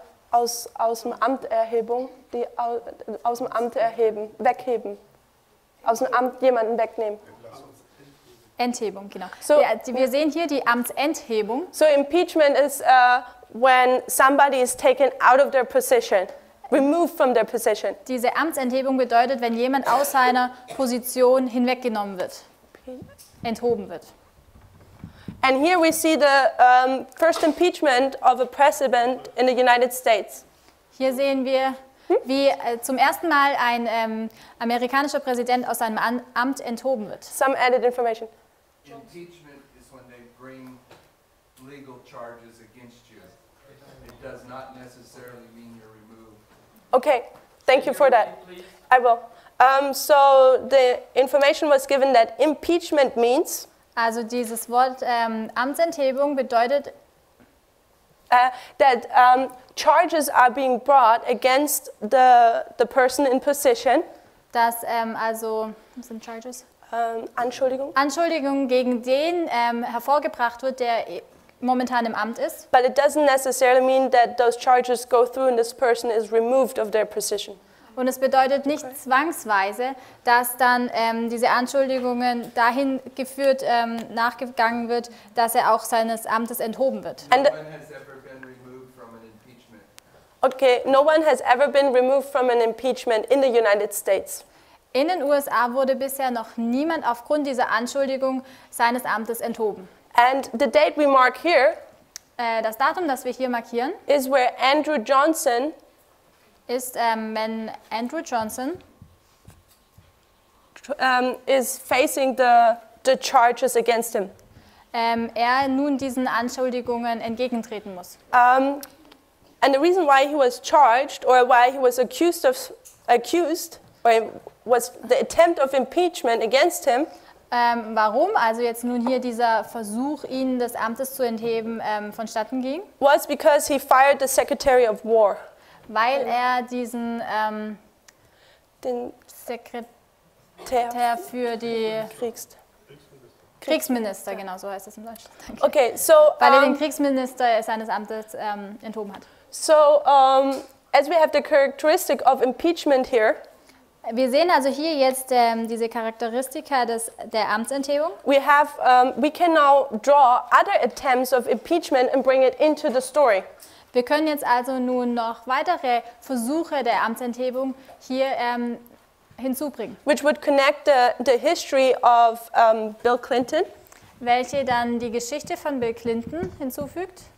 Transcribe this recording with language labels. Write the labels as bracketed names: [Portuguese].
[German] Aus dem Amt erheben, die aus dem Amt erheben, wegheben, aus dem Amt jemanden wegnehmen. Enthebung, genau. So, wir sehen hier die Amtsenthebung. [English] So impeachment is when somebody is taken out of their position, removed from their position. [German] Diese Amtsenthebung bedeutet, wenn jemand aus seiner Position hinweggenommen wird, enthoben wird. [English] And here we see the first impeachment of a president in the United States. [German] Hier sehen wir, wie zum ersten Mal ein amerikanischer Präsident aus seinem Amt enthoben wird. [English] Some added information. Impeachment is when they bring legal charges against you. It does not necessarily mean you're removed. Okay, thank you for that. I will. So the information was given that impeachment means. [German] Also dieses Wort Amtsenthebung bedeutet, [English] that charges are being brought against the person in position. [German] Dass also, was sind charges? Anschuldigung. Anschuldigung gegen den hervorgebracht wird, der momentan im Amt ist. [English] But it doesn't necessarily mean that those charges go through and this person is removed of their position. [German] Und es bedeutet nicht zwangsweise, dass dann diese Anschuldigungen dahin geführt, nachgegangen wird, dass er auch seines Amtes enthoben wird. [English] No one has ever been removed from an impeachment. Okay, no one has ever been removed from an impeachment in the United States. [German] In den USA wurde bisher noch niemand aufgrund dieser Anschuldigung seines Amtes enthoben. [English] And the date we mark here, [German] das Datum, das wir hier markieren, [English] is where Andrew Johnson [German] ist, wenn Andrew Johnson [English] is facing the charges against him. [German] Er nun diesen Anschuldigungen entgegentreten muss. [English] And the reason why he was charged or why he was accused or was the attempt of impeachment against him. [German] Warum also jetzt nun hier dieser Versuch, ihn des Amtes zu entheben, vonstatten ging? [English] Was because he fired the Secretary of War. [German] Weil er diesen den Sekretär für die Kriegsminister, genau so heißt es im Deutschen. [English] Okay, so [German] weil er den Kriegsminister seines Amtes enthoben hat. [English] So as we have the characteristic of impeachment here, [German] wir sehen also hier jetzt diese Charakteristika des der Amtsenthebung. [English] We have we can now draw other attempts of impeachment and bring it into the story. [German] Wir können jetzt also nun noch weitere Versuche der Amtsenthebung hier hinzubringen. [English] Which would connect the history of Bill Clinton. [German] Welche dann die Geschichte von Bill Clinton hinzufügt.